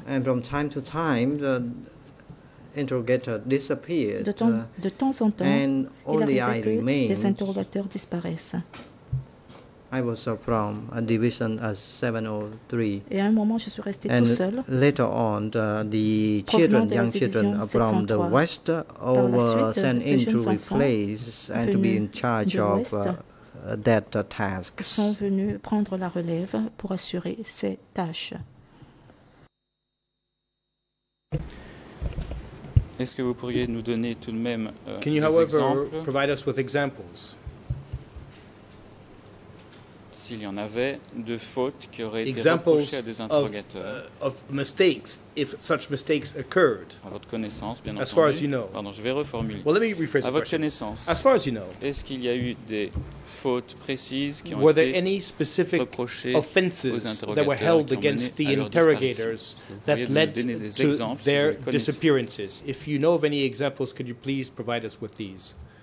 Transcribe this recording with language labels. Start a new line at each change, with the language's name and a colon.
English: And from time to time, the interrogator disappeared.
French: De temps en temps, il arrivait que les interrogateurs disparaissent.
English: I was from a division as 703.
French: Et à un moment, je suis resté tout seul.
English: And later on, the children, young children from the west, were sent in to replace and to be in charge of that task.
French: Ils sont venus prendre la relève pour assurer ces tâches. Est-ce que vous pourriez nous donner tout de même
English: can you, however, provide us with examples?
French: S'il y en avait de fautes qui auraient été reprochées à des interrogateurs.
English: Of mistakes, if such mistakes occurred.
French: À votre connaissance, bien entendu.
English: As far as you know.
French: Pardon, je vais reformuler.
English: Well, let me rephrase the question.
French: À votre connaissance.
English: As far as you know.
French: Est-ce qu'il y a eu des fautes précises qui ont été reprochées aux interrogateurs?
English: Were there any specific offenses that were held against the interrogators that led to their disappearances? If you know of any examples, could you please provide us with these?